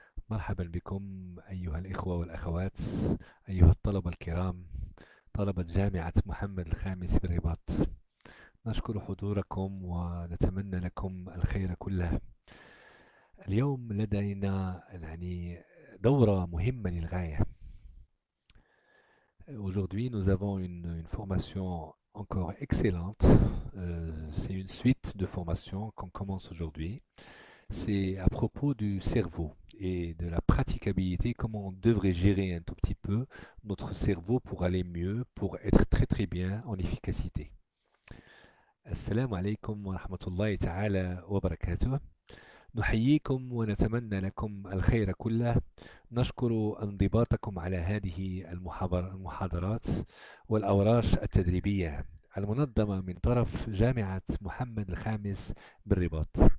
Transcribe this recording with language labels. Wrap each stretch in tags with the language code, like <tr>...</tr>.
<ar>مرحبا بكم أيها الإخوة والأخوات، أيها الطلبة الكرام، طلبة جامعة محمد الخامس بالرباط. نشكر حضوركم ونتمنى لكم الخير كله. اليوم لدينا دورة مهمة للغاية.</ar> <fr>Aujourd'hui, nous avons une formation encore excellente. C'est une suite de formations qu'on commence aujourd'hui. C'est à propos du cerveau et de la praticabilité, comment on devrait gérer un tout petit peu notre cerveau pour aller mieux, pour être très très bien en efficacité.</fr> <ar>Assalamu alaikum wa rahmatullahi ta'ala wa barakatuh. نحييكم ونتمنى لكم الخير كله. نشكر انضباطكم على هذه المحاضرات والأوراش التدريبية المنظمة من طرف جامعة محمد الخامس بالرباط.</ar>